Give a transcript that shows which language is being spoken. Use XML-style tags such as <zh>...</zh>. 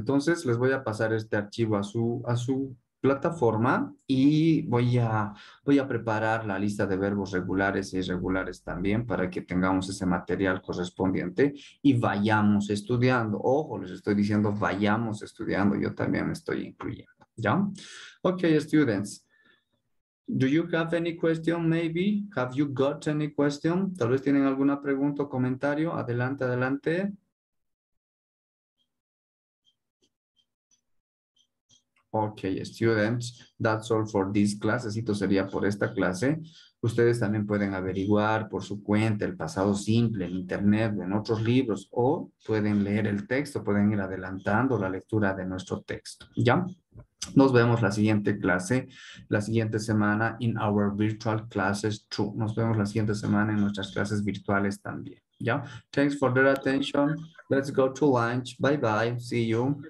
<es>Entonces les voy a pasar este archivo a su plataforma y voy a preparar la lista de verbos regulares e irregulares también para que tengamos ese material correspondiente y vayamos estudiando. Ojo, les estoy diciendo vayamos estudiando, yo también me estoy incluyendo, ¿ya?</es> <en>Okay, students. Do you have any question maybe? Have you got any question?</en> <es>Tal vez tienen alguna pregunta o comentario. Adelante.</es> <en>Okay, students, that's all for this class.</en> <es>Esto sería por esta clase. Ustedes también pueden averiguar por su cuenta el pasado simple en internet, en otros libros, o pueden leer el texto, pueden ir adelantando la lectura de nuestro texto, ¿ya? Nos vemos la siguiente clase, la siguiente semana</es> <en>in our virtual classes too.</en> <es>Nos vemos la siguiente semana en nuestras clases virtuales también, ¿ya?</es> <en>Thanks for their attention. Let's go to lunch. Bye-bye. See you.</en>